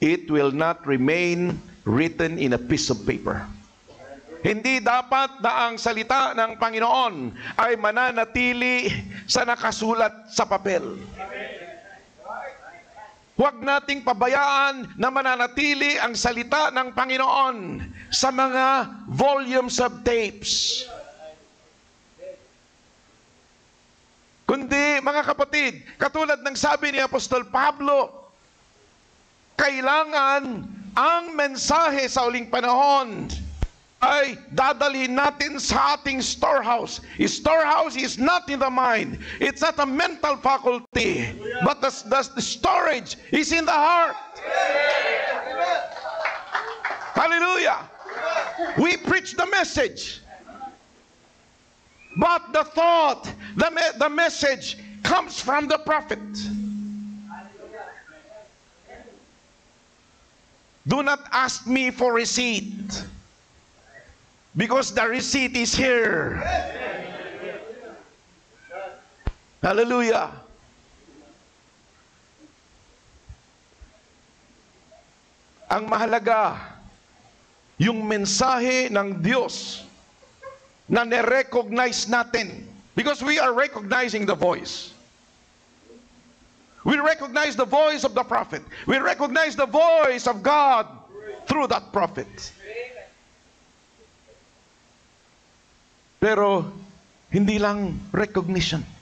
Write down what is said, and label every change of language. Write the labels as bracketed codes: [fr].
[en] It will not remain written in a piece of paper. [tl] Hindi dapat na ang salita ng Panginoon ay mananatili sa nakasulat sa papel. Huwag nating pabayaan na mananatili ang salita ng Panginoon sa mga [en] volumes of tapes. [tl] Kundi, mga kapatid, katulad ng sabi ni Apostol Pablo, kailangan ang mensahe sa uling panahon ay dadalhin natin sa ating storehouse. [en] Storehouse is not in the mind. It's not a mental faculty. But the storage is in the heart. Hallelujah. We preach the message. But the thought, the message comes from the prophet. Do not ask me for receipt. Because the receipt is here. Hallelujah. [tl] Ang mahalaga, yung mensahe ng Diyos na nerecognize natin. [en] Because we are recognizing the voice. We recognize the voice of the prophet. We recognize the voice of God through that prophet. [tl] Pero, hindi lang recognition.